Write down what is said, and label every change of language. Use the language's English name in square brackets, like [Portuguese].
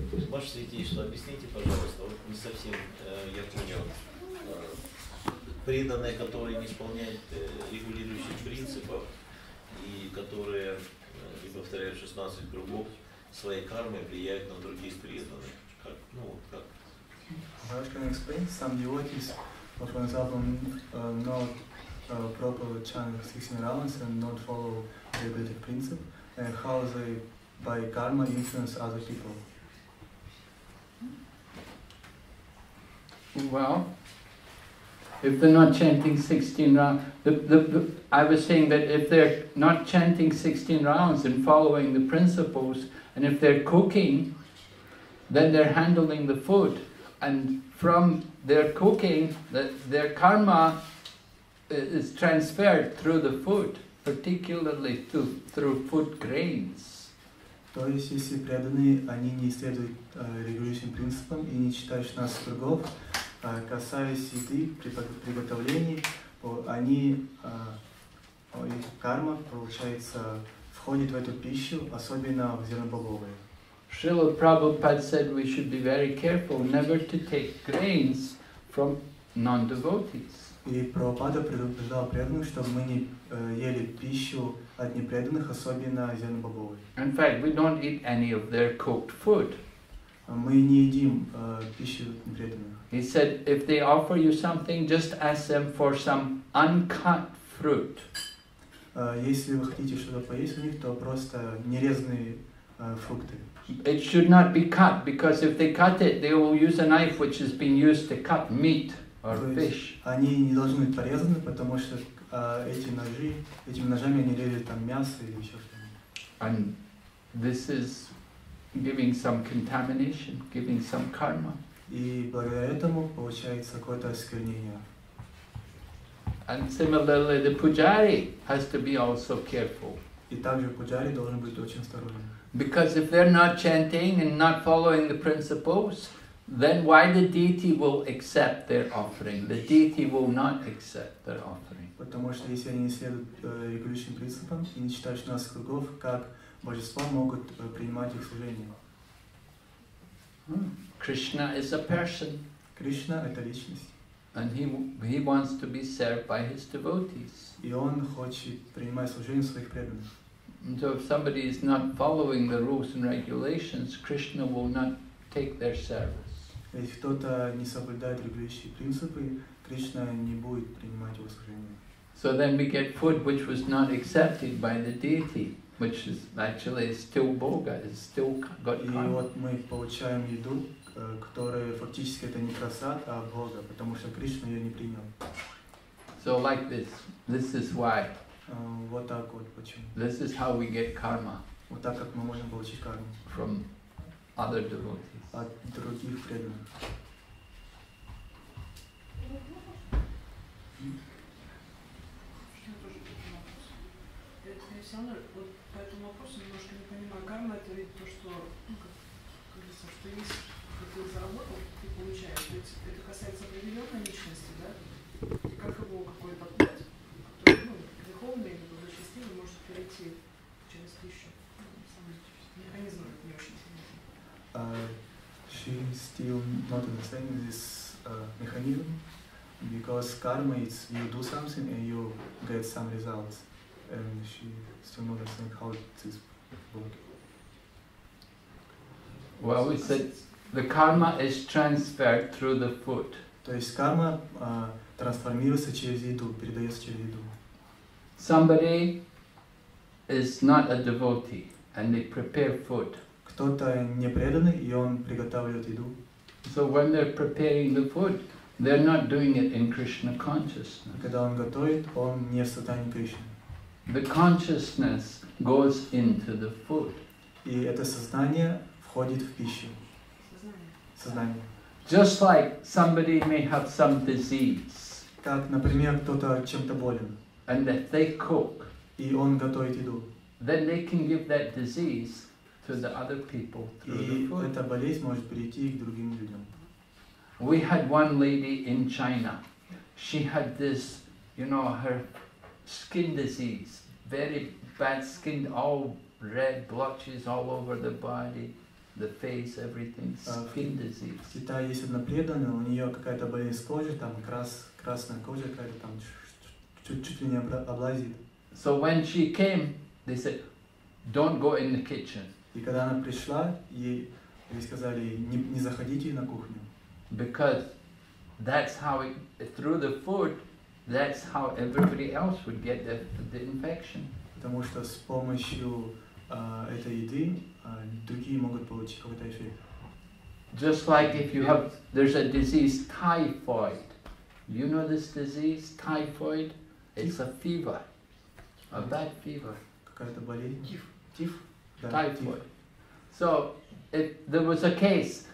[Russian] Ваше святейшество, объясните, пожалуйста, вот не совсем я понял, преданные, которые не исполняют регулирующих принципов и которые, и повторяю, 16 кругов своей кармы влияют на других преданных. Как, ну вот как. [English] Раш, can I explain? Some devotees, for example, not properly chant 16 rounds and not follow the Vedic principle, and how they by karma influence other people. Well, if they're not chanting 16 rounds, I was saying that if they're not chanting 16 rounds and following the principles, and if they're cooking, then they're handling the food. And from their cooking, their karma is transferred through the food, particularly through food grains. [Russian] То есть, если преданные, они не следуют регулирующим принципам и не читают 16 кругов, касаясь еды, приготовления, они, их карма, получается, входит в эту пищу, особенно в зернобобовые. [English] Шрила Прабхупад said we should be very careful never to take grains from non-devotees. [Russian] И Прабхупада предупреждал преданных, чтобы мы не ели пищу от непреданных, особенно зернобобовые. [English] In fact, we don't eat any of their cooked food. [Russian] Мы не едим пищу непреданных. [English] He said, if they offer you something, just ask them for some uncut fruit. [Russian] Если вы хотите что-то поесть у них, то просто нерезанные фрукты. [English] It should not be cut, because if they cut it, they will use a knife which has been used to cut meat or fish. [Russian] Они не должны быть порезаны, потому что этими ножами они режут там мясо или еще что-нибудь. [English] And this is giving some contamination, giving some karma. [Russian] И благодаря этому получается какое-то осквернение. [English] And similarly, the pujari has to be also careful. [Russian] И также пуджари должен быть очень осторожен. [English] Because if they're not chanting and not following the principles, then why the deity will accept their offering? The deity will not accept their offering. [Russian] Потому что если они не следуют регулирующим принципам и не читают 16 кругов, как божества могут принимать их служение? [English] Krishna is a person. [Russian] Кришна — это личность. [English] And he wants to be served by his devotees. [Russian] И он хочет принимать служение своих преданных. [English] And so if somebody is not following the rules and regulations, Krishna will not take their service. [Russian] Если кто-то не соблюдает регулирующие принципы, Кришна не будет принимать его служение. [English] So then we get food which was not accepted by the deity, which is actually still bhoga, is still got karma. [Russian] И вот мы получаем еду, которая фактически это не прасад, а бхога, потому что Кришна ее не принял. [English] So like this, this is why. [Russian] Вот так вот почему. [English] This is how we get karma. [Russian] Вот так как мы можем получить карму. [English] From other devotees. [Russian] От других преданных. Александр, вот по этому вопросу немножко не понимаю. Карма – это ведь то, что, кажется, что есть, как ты заработал, ты получаешь. Ведь это касается определенной личности, да? И как его какой-то путь, который, духовный или благочестивый, может перейти через пищу. Механизм этот не очень сильный. [English] She still not understanding this mechanism, because karma is you do something and you get some results. And she still not understand how this works. Well, we said the karma is transferred through the food. [Russian] То есть карма трансформируется через еду, передается через еду. [English] Somebody is not a devotee and they prepare food. [Russian] Кто-то не преданный, и он приготавливает еду. [English] So when they're preparing the food, they're not doing it in Krishna consciousness. [Russian] Когда он готовит, он не в сознании Кришны. [English] The consciousness goes into the food. [Russian] И это сознание входит в пищу. Сознание. [English] Just like somebody may have some disease. [Russian] Как, например, кто-то чем-то болен. [English] And if they cook. [Russian] И он готовит еду. [English] Then they can give that disease to the other people through [Russian] и [English] the food. [Russian] И эта болезнь может перейти к другим людям. [English] We had one lady in China. She had this, you know, her skin disease, very bad skin, all red blotches all over the body, the face, everything. Skin disease. [Russian] В Китае есть одна преданная, у нее какая-то болезнь кожи, там красная кожа какая-то там чуть-чуть не облазит. [English] So when she came, they said, "Don't go in the kitchen." [Russian] И когда она пришла, ей сказали, не заходите на кухню. [English] Because that's how it through the food. That's how everybody else would get the infection. [Russian] Потому что с помощью этой еды другие могут получить какой-то эффект. [English] Just like if you have, there's a disease, typhoid. You know this disease, typhoid? It's a fever, a bad fever. [Russian] Какая-то болезнь? Тиф. [English] Typhoid. So, there was a case.